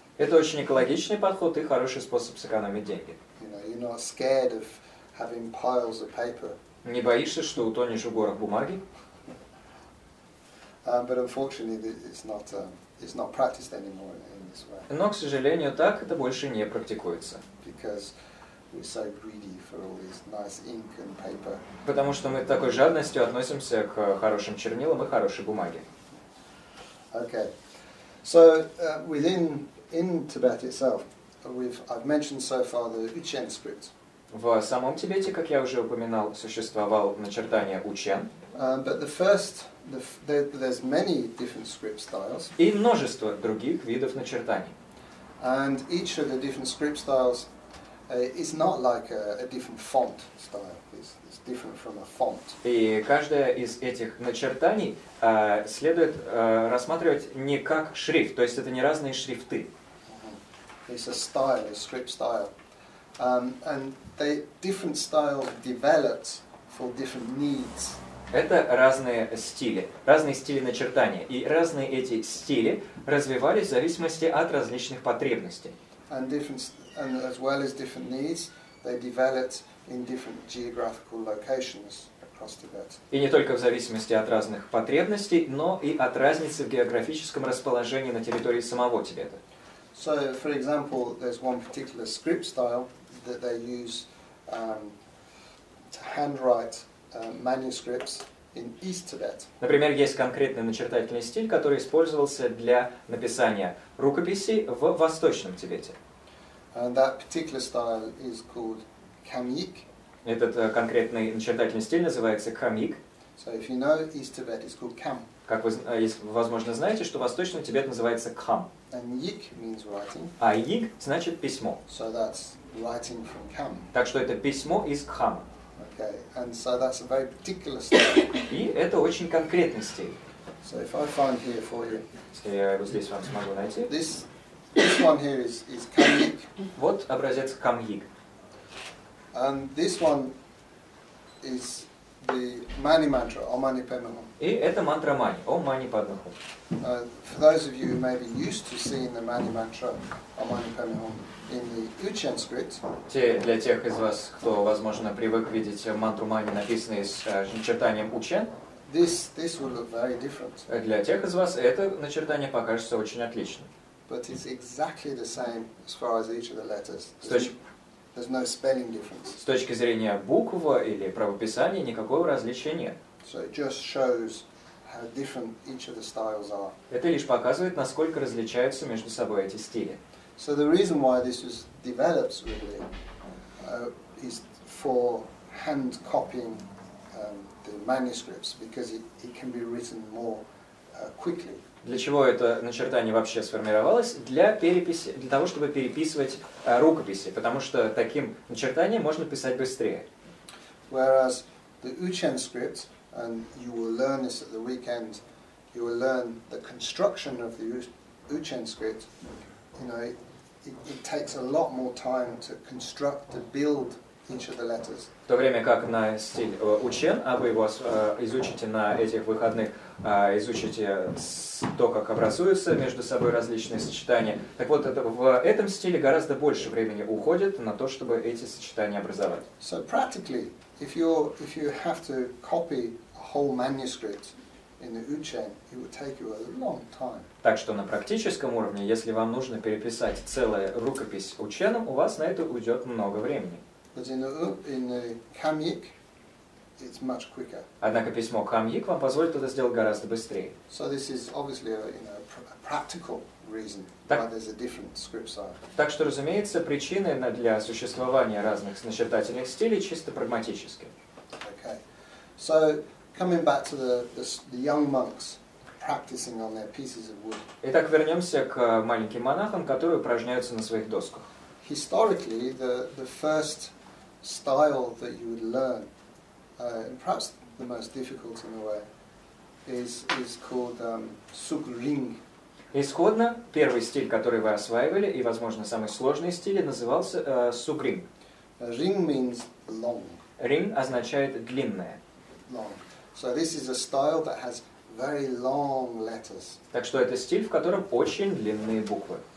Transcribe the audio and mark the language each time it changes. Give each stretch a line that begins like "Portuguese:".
Russian: Это очень экологичный подход и хороший способ сэкономить деньги.
English: You know, you're not scared of having piles of paper.
Russian: Не боишься, что утонешь в горах бумаги?
English: But unfortunately, it's not practiced anymore in this way.
Russian: Но, к сожалению, так это больше не практикуется.
English: Because we're so greedy for all this nice ink and paper.
Russian: Потому что мы такой жадностью относимся к хорошим чернилам и хорошей бумаге.
English: Okay. So within Tibet itself, I've mentioned so far the Uchen script.
Russian: В самом Тибете, как я уже упоминал, существовал начертание Учен.
English: But the first, there's many different script styles.
Russian: И множество других видов начертаний.
English: And each of the different script styles is not like a different font style. It's different from a font.
Russian: И каждая из этих начертаний следует рассматривать не как шрифт, то есть это не разные шрифты.
English: Uh-huh. It's a style, a script style. And they different styles developed for different needs.
Russian: Это разные стили начертания, и разные эти стили развивались в зависимости от различных потребностей.
English: And as well as different needs, they developed in different geographical locations across Tibet.
Russian: И не только в зависимости от разных потребностей, но и от разницы в географическом расположении на территории самого Тибета.
English: So, for example, there's one particular script style that they use to handwrite manuscripts in East Tibet.
Russian: Например, есть конкретный начертательный стиль, который использовался для написания рукописей в Восточном Тибете.
English: And that particular style is called Kamyk.
Russian: Этот конкретный начертательный стиль называется Kamyk.
English: So if you know East Tibet, it's called Kam.
Russian: Как вы, возможно, знаете, что Восточный Тибет называется Кам.
English: And Yik means writing.
Russian: А Yik значит письмо.
English: So that's writing from Kam.
Russian: Так что это письмо из Кама.
English: Okay, and so that's a very particular style.
Russian: И это очень конкретный стиль.
English: So if I find here for you.
Russian: Если я его здесь вам смогу найти.
English: This one here is Kamyk.
Russian: Вот образец Kamyk.
English: And this one is the Mani mantra, Om Mani Padme Hum.
Russian: И это мантра Мани, Om Mani Padme Hum.
English: For those of you who may be used to seeing the Mani mantra, Om Mani Padme Hum, in the Uchen script.
Russian: Для тех из вас, кто, возможно, привык видеть мантру Мани, написанную с начертанием Учен.
English: This would look very different.
Russian: Для тех из вас это начертание покажется очень отличным.
English: But it's exactly the same as far as each of the letters. There's no spelling difference.
Russian: С точки зрения букв или правописания никакого различия нет.
English: So it just shows how different each of the styles are.
Russian: Это лишь показывает, насколько различаются между собой эти стили.
English: So the reason why this was developed really is for hand copying the manuscripts because it can be written more quickly.
Russian: Для чего это начертание вообще сформировалось? Для того, чтобы переписывать рукописи, потому что таким начертанием можно писать быстрее.
English: Whereas the Uchen script, and you will learn this at the weekend, you will learn the construction of the Uchen script. You know, it takes a lot more time to construct, to build each of the letters.
Russian: В то время как на стиль Учен, а вы его изучите на этих выходных. Изучите то, как образуются между собой различные сочетания. Так вот, в этом стиле гораздо больше времени уходит на то, чтобы эти сочетания образовать.
English: So practically, if you have to copy a whole manuscript in the Uchen, it would take you a long time.
Russian: Так что на практическом уровне, если вам нужно переписать целую рукопись Ученом, у вас на это уйдет много времени.
English: But in the Kamyk, it's much quicker.
Russian: Однако письмо Kamyk вам позволит это сделать гораздо быстрее.
English: So this is obviously a practical reason why there's a different script style.
Russian: Так что, разумеется, причины для существования разных начертательных стилей чисто прагматические.
English: Okay. So coming back to the young monks practicing on their pieces of wood.
Russian: Итак, вернемся к маленьким монахам, которые упражняются на своих досках.
English: Historically, the first style that you would learn. And perhaps the most difficult in a way is called Sukring.
Russian: Исходно первый стиль, который вы осваивали, и, возможно, самый сложный стиль, назывался сугрим.
English: Ring means long.
Russian: Ring означает длинное.
English: Long. So this is a style that has very long letters.
Russian: Так что это стиль, в котором очень длинные буквы.